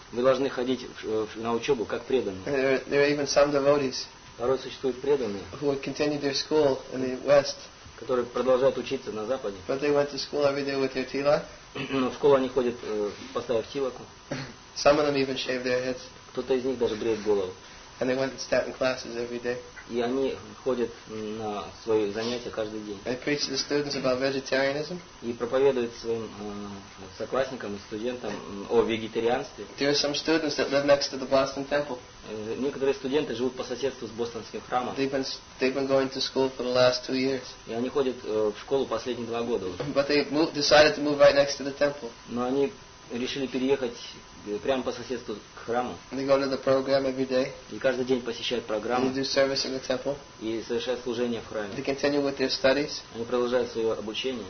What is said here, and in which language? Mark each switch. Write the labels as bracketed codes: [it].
[ru] Вы должны ходить на учебу как преданный. [en] There are even some devotees. [ru] Порой существуют преданные, [en] who continue their school in the West. [ru] Которые продолжают учиться на Западе. [en] But they went to school every day with their tilak. [ru] Но в школу они ходят, поставив тилаку. [en] Some of them even shave their heads. [ru] Кто-то из них даже бреет голову. [en] And they went to statin classes every day. [ru] И они ходят на свои занятия каждый день. [en] I preach to the students about vegetarianism. [ru] И проповедуют своим соклассникам и студентам о вегетарианстве. [en] There are some students that live next to the Boston Temple. [ru] Некоторые студенты живут по соседству с Бостонским храмом. [en] They've been going to school for the last 2 years. [ru] И они ходят в школу последние 2 года. [en] But they decided to move right next to the temple. [ru] Но они решили переехать прямо по соседству к храму. [en] They go to the program every day. [ru] И каждый день посещают программу. [en] They do service in the temple. [ru] И совершают служение в храме. [en] They continue with their studies. [ru] Они продолжают свое обучение.